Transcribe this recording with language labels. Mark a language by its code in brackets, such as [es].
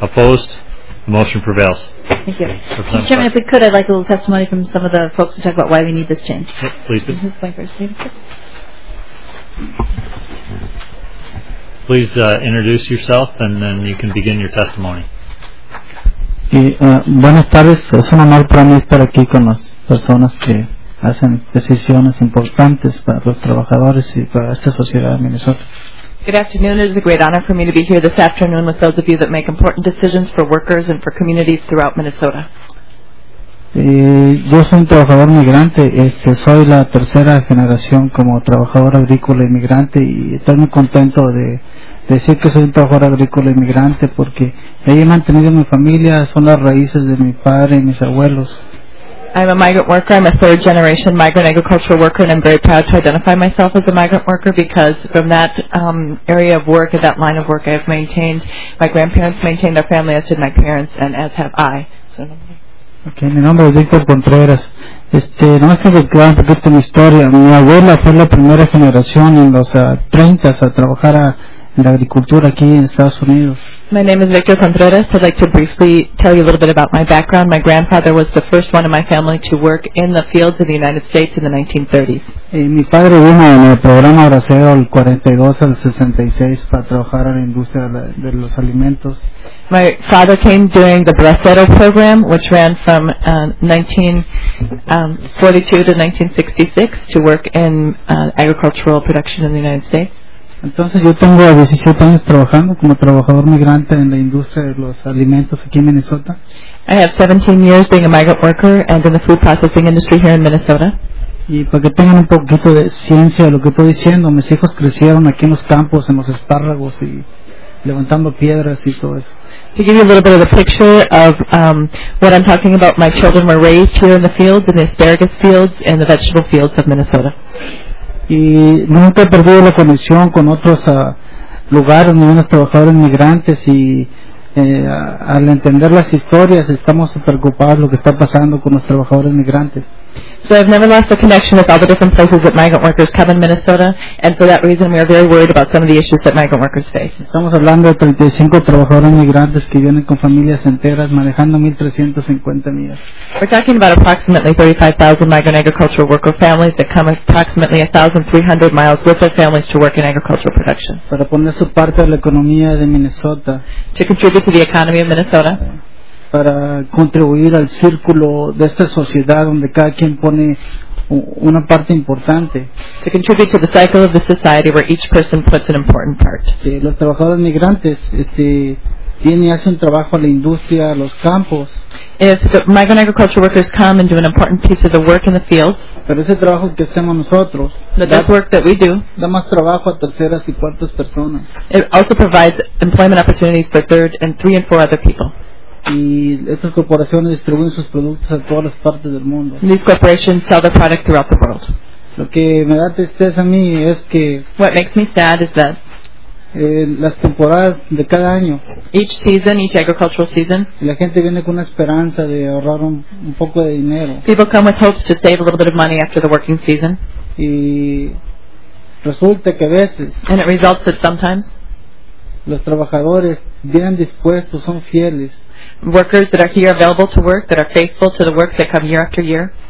[en] Opposed? The motion prevails. Thank you. Mr. Chairman, if we could, I'd like a little testimony from some of the folks to talk about why we need this change. Please introduce yourself, and then you can begin your testimony. [es] Buenas tardes. Es un honor para mí estar aquí con las personas que hacen decisiones importantes para los trabajadores y para esta sociedad de Minnesota. [en] Good afternoon. It is a great honor for me to be here this afternoon with those of you that make important decisions for workers and for communities throughout Minnesota. [es] Yo soy un trabajador migrante. Soy la tercera generación como trabajador agrícola inmigrante, y estoy muy contento de decir que soy un trabajador agrícola inmigrante porque ahí he mantenido mi familia. Son las raíces de mi padre y mis abuelos. [en] I'm a migrant worker. I'm a third-generation migrant agricultural worker, and I'm very proud to identify myself as a migrant worker because from that area of work, that line of work, I have maintained, my grandparents maintained their family, as did my parents, and as have I. [es] Okay, mi nombre es Víctor Contreras. No es que recuerde un poquito mi historia. Mi abuela fue la primera generación en los 30s a trabajar a la agricultura aquí en Estados Unidos. [en] My name is Victor Contreras. I'd like to briefly tell you a little bit about my background. My grandfather was the first one in my family to work in the fields of the United States in the 1930s. [es] Mi padre vino en el programa Bracero del 42 al 66 para trabajar en la industria de los alimentos. [en] My father came during the Bracero program, which ran from 1942 to 1966, to work in agricultural production in the United States. [es] Entonces yo tengo 17 años trabajando como trabajador migrante en la industria de los alimentos aquí en Minnesota. [en] I have 17 years being a migrant worker and in the food processing industry here in Minnesota. [es] Y para que tengan un poquito de ciencia de lo que estoy diciendo, mis hijos crecieron aquí en los campos, en los espárragos y levantando piedras y todo eso. [en] To give you a little bit of a picture of what I'm talking about, my children were raised here in the fields, in the asparagus fields and the vegetable fields of Minnesota. [es] Y nunca he perdido la conexión con otros lugares ni unos trabajadores migrantes, y al entender las historias estamos preocupados lo que está pasando con los trabajadores migrantes. [en] So I've never lost the connection with all the different places that migrant workers come in Minnesota, and for that reason we are very worried about some of the issues that migrant workers face. [es] Estamos hablando de 35 trabajadores migrantes que vienen con familias enteras manejando 1,350 millas. [en] We're talking about approximately 35,000 migrant agricultural worker families that come approximately 1,300 miles with their families to work in agricultural production. [es] Para poner su parte de la economía de Minnesota. [en] To contribute to the economy of Minnesota. [es] Para contribuir al círculo de esta sociedad donde cada quien pone una parte importante. [en] To contribute to the cycle of the society where each person puts an important part. [es] Sí, los trabajadores migrantes tienen y hacen trabajo a la industria, a los campos. [en] If the migrant agriculture workers come and do an important piece of the work in the fields. [es] Pero ese trabajo que hacemos nosotros. [en] That work that we do. [es] Da más trabajo a terceras y cuartas personas. [en] It also provides employment opportunities for third and three and four other people. [es] y estas corporaciones distribuyen sus productos a todas las partes del mundo. [en] These corporations sell their product throughout the world. [es] Lo que me da tristeza a mí es que [en] what makes me sad is that [es] las temporadas de cada año [en] each season, each agricultural season, [es] la gente viene con una esperanza de ahorrar un poco de dinero. [en] People come with hopes to save a little bit of money after the working season. [es] Y resulta que a veces [en] and it results that sometimes [es] los trabajadores vienen dispuestos, son fieles. [en] Workers that are here available to work, that are faithful to the work, that come year after year.